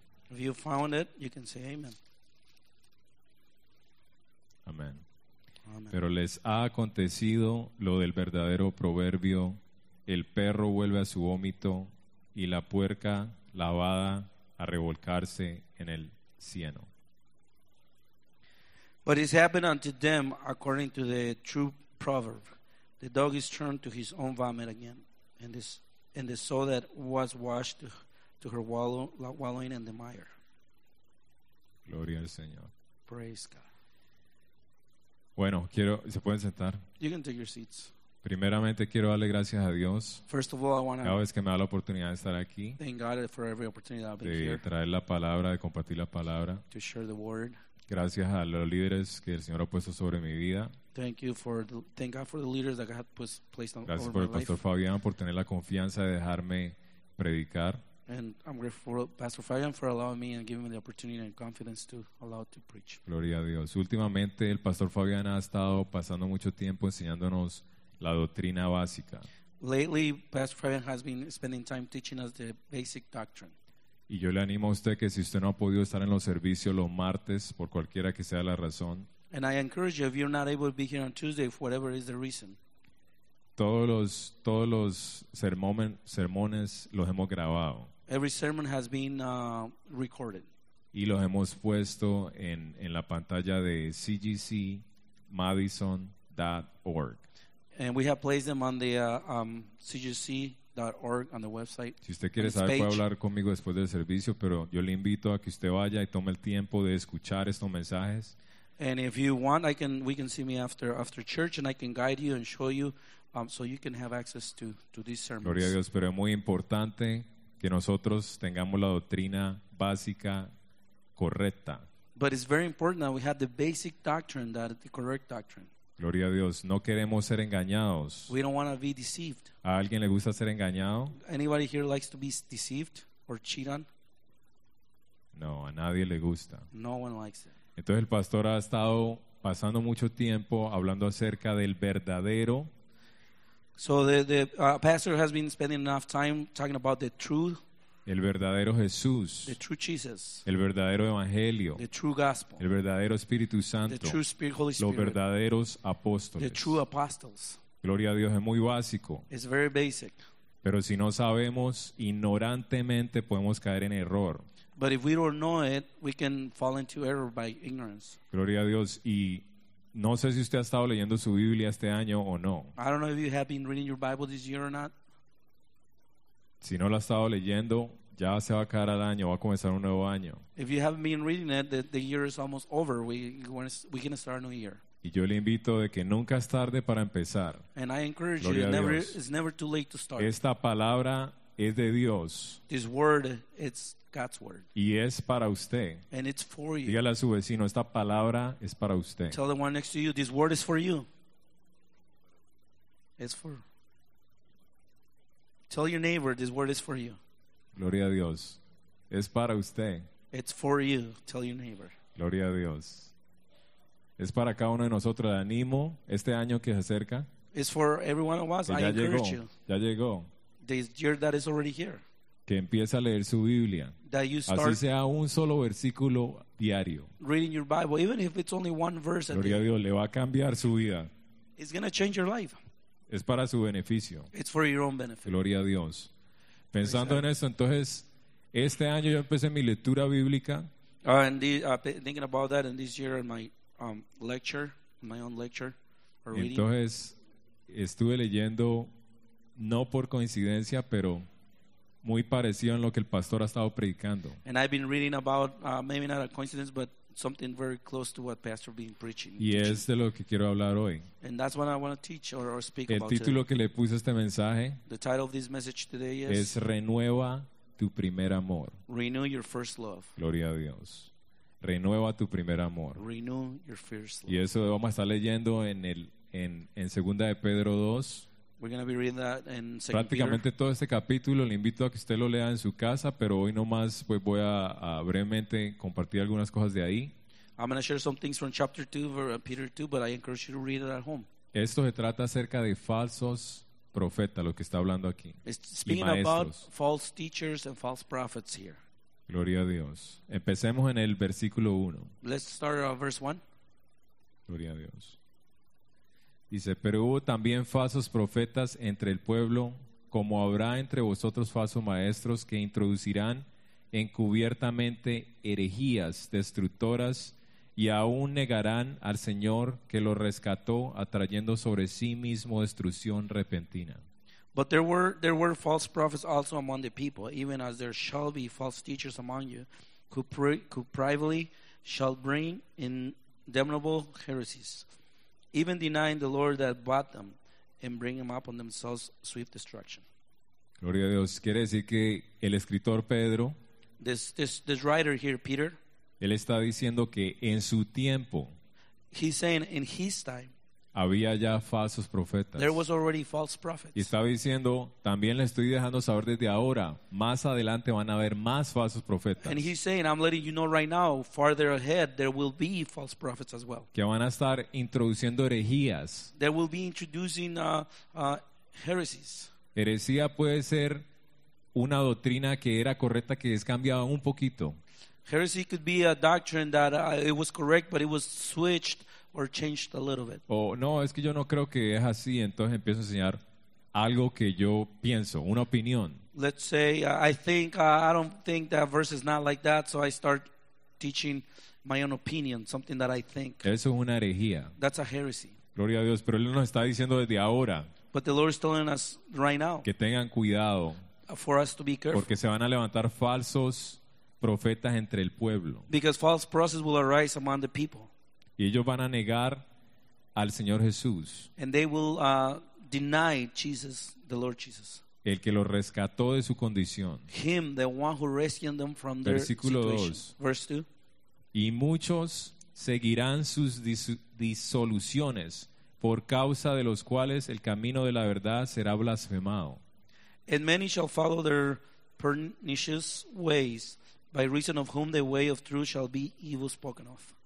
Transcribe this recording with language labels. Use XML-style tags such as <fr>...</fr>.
<en>If you found it, you can say amen.</en> <es>Amén. Pero les ha acontecido lo del verdadero proverbio: el perro vuelve a su vómito y la puerca lavada a revolcarse en el cieno.</es> <en>But it's happened unto them according to the true proverb: the dog is turned to his own vomit again, and the sow that was washed to her wallowing in the mire.</en> <es>Gloria al Señor.</es> <en>Praise God.</en> <es>Bueno, se pueden sentar.</es> <en>You can take your seats.</en> <es>Primeramente quiero darle gracias a Dios.</es> <en>First of all, I wanna,</en> <es>cada vez que me da la oportunidad de estar aquí.</es> <en>Thank God for every opportunity I've been</en> <es>de</es> <en>here,</en> <es>traer la palabra, de compartir la palabra.</es> <en>To share the word.</en> <es>Gracias a los líderes que el Señor ha puesto sobre mi vida.</es> <en>Thank God for the leaders that God has placed on</en> <es>gracias</es> <en>over my</en> <es>gracias por el pastor</es> <en>life.</en> <es>Fabián por tener la confianza de dejarme predicar.</es> <en>And I'm grateful for Pastor Fabian for allowing me and giving me the opportunity and confidence to allow to preach.</en> <es>Gloria a Dios. Últimamente el pastor Fabian ha estado pasando mucho tiempo enseñándonos la doctrina básica.</es> <en>Lately, Pastor Fabian has been spending time teaching us the basic doctrine.</en> <es>Y yo le animo a usted que si usted no ha podido estar en los servicios los martes por cualquiera que sea la razón.</es> <en>And I encourage you if you're not able to be here on Tuesday for whatever is the reason.</en> <es>Todos los sermones los hemos grabado.</es> <en>Every sermon has been recorded.</en> <es>Y los hemos puesto en la pantalla de cgcmadison.org.</es> <en>And we have placed them on the cgc.org on the website.</en> <es>Si usted quiere saber, puede hablar conmigo después del servicio, pero yo le invito a que usted vaya y tome el tiempo de escuchar estos mensajes.</es> <en>And if you want, we can see me after church and I can guide you and show you so you can have access to these sermons.</en> <es>Gloria a Dios, pero es muy importante que nosotros tengamos la doctrina básica correcta.</es> <en>But it's very important that we have the basic doctrine, that the correct doctrine.</en> <es>Gloria a Dios, no queremos ser engañados.</es> <en>We don't want to be deceived.</en> <es>¿A alguien le gusta ser engañado?</es> <en>Anybody here likes to be deceived or cheated on?</en> <es>No, a nadie le gusta.</es> <en>No one likes it.</en> <es>Entonces el pastor ha estado pasando mucho tiempo hablando acerca del verdadero.</es> <en>So the pastor has been spending enough time talking about the truth.</en> <es>El verdadero Jesús.</es> <en>The true Jesus.</en> <es>El verdadero Evangelio.</es> <en>The true gospel.</en> <es>El verdadero Espíritu Santo.</es> <en>The true Spirit, Holy Spirit.</en> <es>Los verdaderos apóstoles.</es> <en>The true apostles.</en> <es>Gloria a Dios, es muy básico.</es> <en>It's very basic.</en> <es>Pero si no sabemos, ignorantemente podemos caer en error.</es> <en>But if we don't know it, we can fall into error by ignorance.</en> <es>Gloria a Dios. Y no sé si usted ha estado leyendo su Biblia este año o no.</es> <en>I don't know if you have been reading your Bible this year or not.</en> <es>Si no lo ha estado leyendo, ya se va a acabar el año, va a comenzar un nuevo año.</es> <en>If you haven't been reading it, the year is almost over. We're going to start a new year.</en> <es>Y yo le invito de que nunca es tarde para empezar.</es> <en>And I encourage you, it's never too late to start.</en> <es>Esta palabra es de Dios.</es> <en>This word, it's God's word.</en> <es>Y es para usted.</es> <en>And it's for you.</en> <es>Dígale a su vecino, esta palabra es para usted.</es> <en>Tell the one next to you, this word is for you. It's for you. Tell your neighbor this word is for you.</en> <es>Gloria a Dios. Es para usted.</es> <en>It's for you. Tell your neighbor.</en> <es>Gloria a Dios. Es para cada uno de nosotros. Le animo este año que se acerca.</es> <en>It's for every one of us. I encourage you.</en> <es>Ya llegó.</es> <en>This year that is already here.</en> <es>Que empiece a leer su Biblia.</es> <en>That you start.</en> <es>Así sea un solo versículo diario.</es> <en>Reading your Bible, even if it's only one verse.</en> <es>Gloria a Dios. Le va a cambiar su vida.</es> <en>It's going to change your life.</en> <es>Es para su beneficio.</es> <en>It's for your own benefit.</en> <es>Gloria a Dios. Pensando en eso, entonces, este año yo empecé mi lectura bíblica.</es> <en>Thinking about that, and this year in my lecture, my own lecture, or reading.</en> <es>Entonces, estuve leyendo, no por coincidencia, pero muy parecido en lo que el pastor ha estado predicando.</es> <en>And I've been reading about, maybe not a coincidence, but something very close to what pastor been preaching.</en> <es>Y es de lo que quiero hablar hoy.</es> <en>And that's what I want to teach or speak</en> <es>el</es> <en>about</en> <es>título</es> <en>today.</en> <es>Que le puse este mensaje,</es> <en>the title of this message today is,</en> <es>es Renueva tu primer amor.</es> <en>Renew your first love.</en> <es>Gloria a Dios. Renueva tu primer amor.</es> <en>Renew your first love.</en> <es>Y eso vamos a estar leyendo en Segunda de Pedro 2.</es> <en>We're going to be reading that in 2 Peter.</en> <es>Prácticamente todo este capítulo le invito a que usted lo lea en su casa, pero hoy nomás pues voy a brevemente compartir algunas cosas de ahí.</es> <en>I'm going to share some things from chapter 2 or Peter 2, but I encourage you to read it at home.</en> <es>Esto se trata acerca de falsos profetas, lo que está hablando aquí.</es> <en>It's speaking about false teachers and false prophets here.</en> <es>Gloria a Dios. Empecemos en el versículo 1.</es> <en>Let's start at verse 1.</en> <es>Gloria a Dios. Dice, pero hubo también falsos profetas entre el pueblo, como habrá entre vosotros falsos maestros que introducirán encubiertamente herejías destructoras y aún negarán al Señor que lo rescató atrayendo sobre sí mismo destrucción repentina.</es> <en>But there were false prophets also among the people, even as there shall be false teachers among you, who privately shall bring in damnable heresies, even denying the Lord that bought them and bring them up on themselves swift destruction.</en> <es>Gloria a Dios. Quiere decir que el escritor Pedro,</es> <en>this writer here, Peter,</en> <es>él está diciendo que en su tiempo,</es> <en>he's saying in his time,</en> <es>había ya falsos profetas.</es> <en>There was already false prophets.</en> <es>Y estaba diciendo, también le estoy dejando saber desde ahora, más adelante van a haber más falsos profetas.</es> <en>And he's saying, I'm letting you know right now, farther ahead, there will be false prophets as well.</en> <es>Que van a estar introduciendo herejías.</es> <en>They will be introducing heresies.</en> <es>Herejía puede ser una doctrina que era correcta, que es cambiada un poquito.</es> <en>Heresy could be a doctrine that it was correct, but it was switched or changed a little bit.</en> <es>Oh, no, es que yo no creo que es así, entonces empiezo a enseñar algo que yo pienso, una opinión.</es> <en>Let's say I don't think that verse is not like that, so I start teaching my own opinion, something that I think.</en> <es>Eso es una herejía.</es> <en>That's a heresy.</en> <es>Gloria a Dios, pero él nos está diciendo desde ahora.</es> <en>But the Lord is telling us right now.</en> <es>Que tengan cuidado.</es> <en>For us to be careful.</en> <es>Porque se van a levantar falsos profetas entre el pueblo.</es> <en>Because false prophets will arise among the people.</en> <es>Y ellos van a negar al Señor Jesús.</es> <en>And they will deny Jesus, the Lord Jesus.</en> <es>El que lo rescató de su condición.</es> <en>Him, the one who rescued them from their</en> <es>versículo</es> <en>situation.</en> <es>Dos.</es> <en>Verse 2.</en> <es>Y muchos seguirán sus disoluciones, por causa de los cuales el camino de la verdad será blasfemado.</es> <en>And many shall follow their pernicious ways, by reason of whom the way of truth shall be evil spoken of.</en>